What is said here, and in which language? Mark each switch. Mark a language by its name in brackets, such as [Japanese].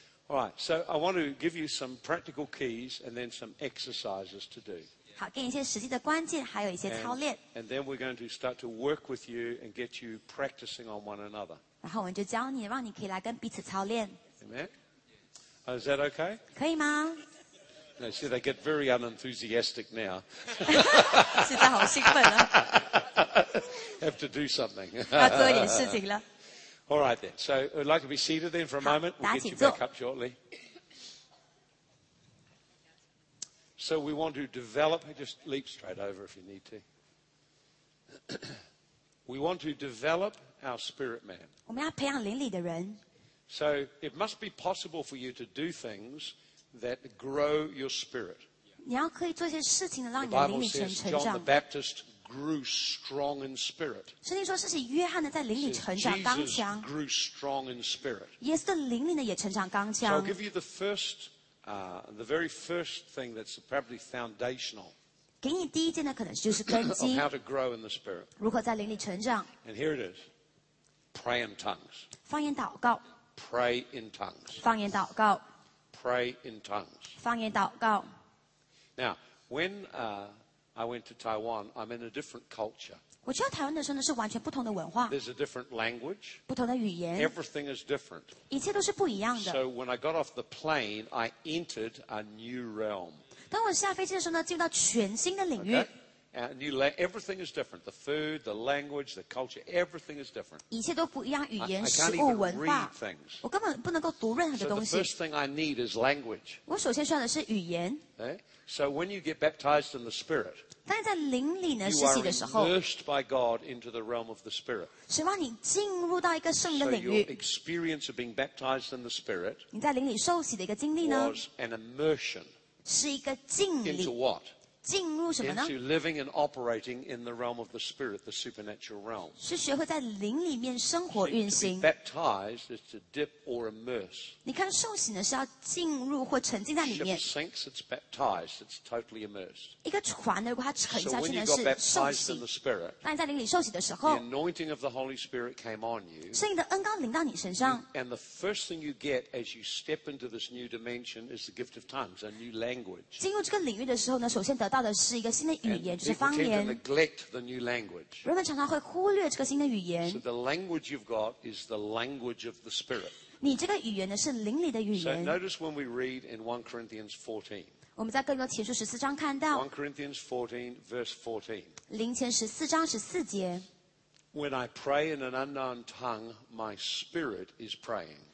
[English] All right, so I want to give you some practical keys and then some exercises to do. [Chinese] 好，给你一些实际的关键，还有一些操练。 [English] And then we're going to start to work with you and get you practicing on one another. [Chinese] 然后我们就教你，让你可以来跟彼此操练。 [English] Amen. Is that okay? [Chinese] 可以吗？ [English] No, see, they get very unenthusiastic now. [Chinese] 现在好兴奋啊！ [English] Have to do something. [Chinese] 要做一点事情了。 [English] All right then. So I'd like to be seated then for a moment. We'll get you back up shortly. So we want to develop. Just leap straight over if you need to. We want to develop our spirit man. [Chinese] 我们要培养灵里的人。 [English] So it must be possible for you to do things that grow your spirit. [Chinese] 你要可以做一些事情，让你的灵里成长。 [English] John the Baptist. Grew strong in spirit. [Chinese] 圣经说这是约翰呢在灵里成长刚强。 [English] Jesus grew strong in spirit. [Chinese] 耶稣的灵里呢也成长刚强。 [English] So I'll give you the first, the very first thing that's probably foundational. [Chinese] 给你第一件呢可能就是根基。 [English] How to grow in the spirit. [Chinese] 如何在灵里成长。 [English] And here it is. Pray in tongues. [Chinese] 方言祷告。 [English] Pray in tongues. [Chinese] 方言祷告。 [English] Pray in tongues. [Chinese] 方言祷告。 [English] Now, when, I went to Taiwan. I'm in a different culture. [Chinese] 我去到台湾的时候呢，是完全不同的文化。 [English] There's a different language. [Chinese] 不同的语言。 [English] Everything is different. [Chinese] 一切都是不一样的。 [English] So when I got off the plane, I entered a new realm. [Chinese] 当我下飞机的时候呢，进入到全新的领域。 [English] Okay. Everything is different. The food, the language, the culture, everything is different. [Chinese] 一切都不一样，语言、食物、文化。我根本不能够读任何的东西。 [English] So the first thing I need is language. [Chinese] 我首先需要的是语言。 [English] So when you get baptized in the Spirit, [Chinese] 当你在灵里呢施洗的时候 [English] you are immersed by God into the realm of the Spirit. [Chinese] 希望你进入到一个圣的领域。 [English] So your experience of being baptized in the Spirit, [Chinese] 你在灵里受洗的一个经历呢 [English] was an immersion. [Chinese] 是一个浸礼。 [English] Into what? [Chinese] 进入什么呢 [English] into living and operating in the realm of the spirit, the supernatural realm. [Chinese] 是学会在灵里面生活运行。 [English] To be baptized is to dip or immerse. [Chinese] 你看受洗呢是要进入或沉浸在里面。 [English] Ship sinks, it's baptized, it's totally immersed. [Chinese] 一个船呢如果它沉下去呢是受洗。 [English] So when you got baptized in the spirit, the anointing of the Holy Spirit came on you. [Chinese] 圣灵的恩膏临到你身上。 [English] And the first thing you get as you step into this new dimension is the gift of tongues, a new language. [Chinese] 进入这个领域的时候呢首先得到到的是一个新的语言，就是方言。 [English] And people tend to neglect the new language. [Chinese] 人们常常会忽略这个新的语言。 [English] So the language you've got is the language of the Spirit. [Chinese] 你这个语言呢是灵里的语言。 [English] So notice when we read in 1 Corinthians 14. [Chinese] 我们在哥林多前书十四章看到。 [English] 1 Corinthians 14, verse 14. [Chinese] 灵前十四章十四节。 [English] When I pray in an unknown tongue, my spirit is praying.